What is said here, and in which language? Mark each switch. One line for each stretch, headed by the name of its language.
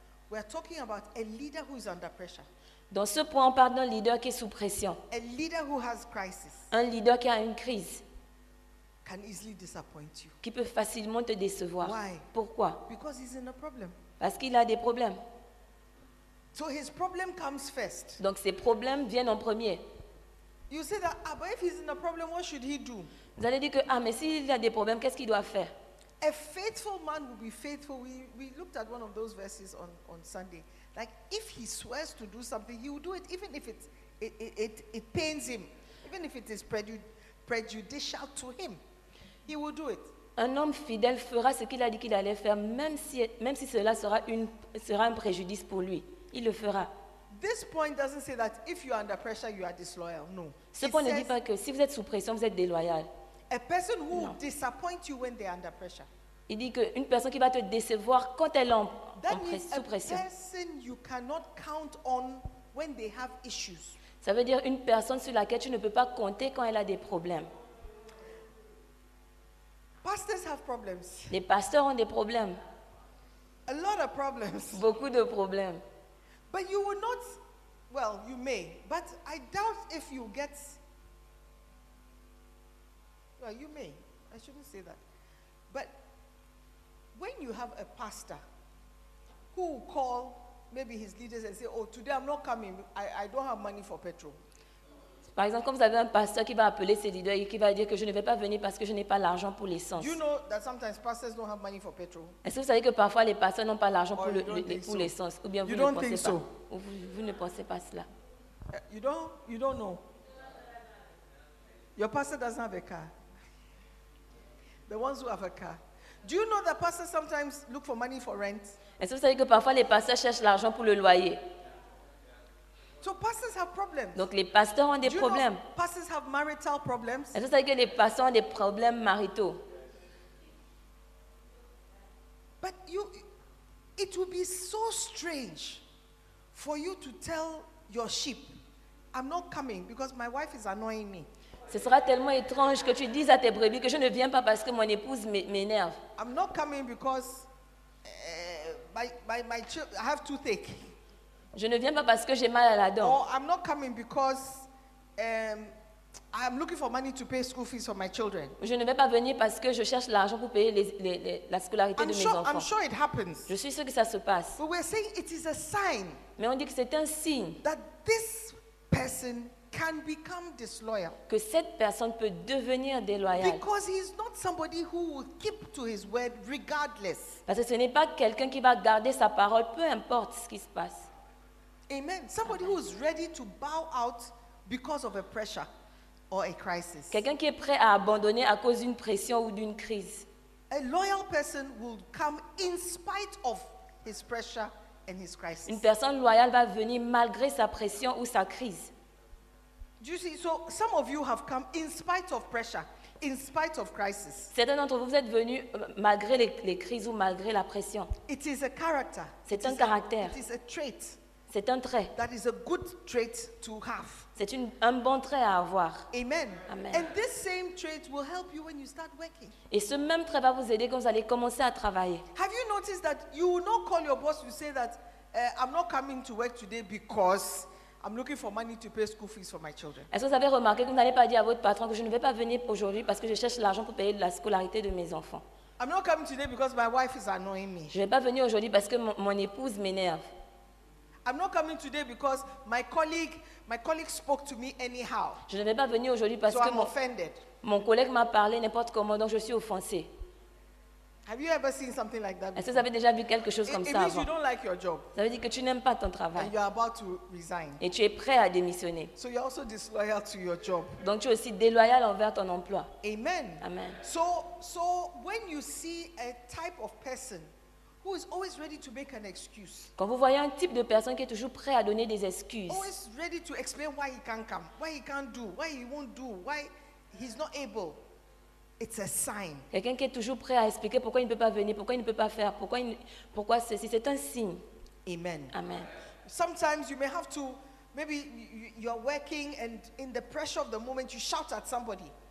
English: We are talking about a leader who is under pressure.
French: Dans ce point, on parle d'un leader qui est sous pression.
English: A leader who has crisis.
French: Un leader qui a une crise.
English: Can easily disappoint you.
French: Qui peut facilement te décevoir.
English: Why?
French: Pourquoi?
English: Because he's in a problem.
French: Parce qu'il a des problèmes.
English: So his problem comes first.
French: Donc ses problèmes viennent en premier.
English: You say that, but if he's in a problem, what should he do?
French: Vous allez dire que mais s'il a des problèmes, qu'est-ce qu'il doit faire?
English: A faithful man will be faithful. We looked at one of those verses on Sunday. Like if he swears to do something, he will do it even if it pains him, even if it is prejudicial to him, he will do it.
French: Un homme fidèle fera ce qu'il a dit qu'il allait faire, même si cela sera un préjudice pour lui, il le fera.
English: This point doesn't say that if you are under pressure, you are disloyal. No.
French: Ce point ne dit pas que si vous êtes sous pression, vous êtes déloyal.
English: A person who will disappoint you when they are under pressure.
French: Il dit que une personne qui va te décevoir quand elle est sous pression.
English: That means a person you cannot count on when they have issues.
French: Ça veut dire une personne sur laquelle tu ne peux pas compter quand elle a des problèmes.
English: Pastors have problems.
French: Les pasteurs ont des problèmes.
English: A lot of problems.
French: Beaucoup de problèmes.
English: But you will not. Well, you may, but I doubt if you get. Well, you may. I shouldn't say that. But when you have a pastor who will call maybe his leaders and say, oh, today I'm not coming. I don't have money for petrol.
French: Par exemple, quand vous avez un pasteur qui va appeler ses leaders et qui va dire que je ne vais pas venir parce que je n'ai pas l'argent pour l'essence.
English: You know that sometimes pastors don't have money for petrol.
French: Est-ce que vous savez que parfois les pasteurs n'ont pas l'argent pour l'essence? Ou bien
English: you
French: vous ne pensez
English: so.
French: Pas? Vous ne pensez pas cela?
English: You don't know. Your pastor doesn't have a car. The ones who have a car. Do you know that pastors sometimes look for money for rent?
French: Est-ce que vous savez que parfois les pasteurs cherchent l'argent pour le loyer?
English: So pastors have problems.
French: Donc les pasteurs ont des
English: Do you
French: problèmes.
English: Know pastors have marital problems?
French: Est-ce que vous savez que les pasteurs ont des problèmes maritaux?
English: But it would be so strange for you to tell your sheep, I'm not coming because my wife is annoying me.
French: Ce sera tellement étrange que tu dises à tes brebis que je ne viens pas parce que mon épouse m'énerve.
English: I'm not coming because my children, I have toothache.
French: Je ne viens pas parce que j'ai mal à la dent.
English: Or I'm not coming because I'm looking for money to pay school fees for my children.
French: Je ne vais pas venir parce que je cherche l'argent pour payer la scolarité de mes enfants.
English: I'm sure it happens.
French: Je suis sûr que ça se passe.
English: But we're saying it is a sign.
French: Mais on dit que c'est un signe.
English: That this person can become disloyal.
French: Que cette personne peut devenir déloyale.
English: Because he's not somebody who will keep to his word regardless.
French: Parce que ce n'est pas quelqu'un qui va garder sa parole peu importe ce qui se passe.
English: Amen. Somebody who is ready to bow out because of a pressure or a crisis.
French: Quelqu'un qui est prêt à abandonner à cause d'une pression ou d'une crise.
English: A loyal person will come in spite of his pressure.
French: Une personne loyale va venir malgré sa pression ou sa crise.
English: Do you see? So some of you have come in spite of pressure, in spite of crisis.
French: Certains d'entre vous êtes venus malgré les crises ou malgré la pression.
English: It is a character.
French: C'est un caractère.
English: It is a trait.
French: C'est un trait.
English: That is a good trait to have.
French: C'est un bon trait à avoir.
English: Amen.
French: Amen.
English: And this same trait will help you when you start working.
French: Et ce même trait va vous aider quand vous allez commencer à travailler.
English: Have you noticed that you will not call your boss, you say that I'm not coming to work today because I'm looking for money to pay school fees for my children.
French: Est-ce que vous avez remarqué que vous n'allez pas dire à votre patron que je ne vais pas venir aujourd'hui parce que je cherche l'argent pour payer la scolarité de mes enfants?
English: I'm not coming today because my wife is annoying me.
French: Je ne vais pas venir aujourd'hui parce que mon épouse m'énerve.
English: I'm not coming today because my colleague spoke to me anyhow.
French: Je ne vais pas venir aujourd'hui parce que mon collègue m'a parlé n'importe comment, donc je suis offensé.
English: Have you ever seen something like that?
French: Est-ce que vous avez déjà vu quelque chose comme ça avant?
English: It means you don't like your job.
French: Ça veut dire que tu n'aimes pas ton travail.
English: And you're about to resign.
French: Et tu es prêt à démissionner.
English: So you're also disloyal to your job.
French: Donc tu es aussi déloyal envers ton emploi.
English: Amen.
French: Amen.
English: So when you see a type of person who is always ready to make an excuse.
French: Quand vous voyez un type de personne qui est toujours prêt à donner des excuses.
English: Always ready to explain why he can't come, why he can't do, why he won't do, why he's not able. It's a sign.
French: Quelqu'un qui est toujours prêt à expliquer pourquoi il ne peut pas venir, pourquoi il ne peut pas faire, pourquoi ceci, c'est un signe.
English: Amen.
French: Amen.
English: Sometimes you may have to, maybe you're working and in the pressure of the moment you shout at somebody.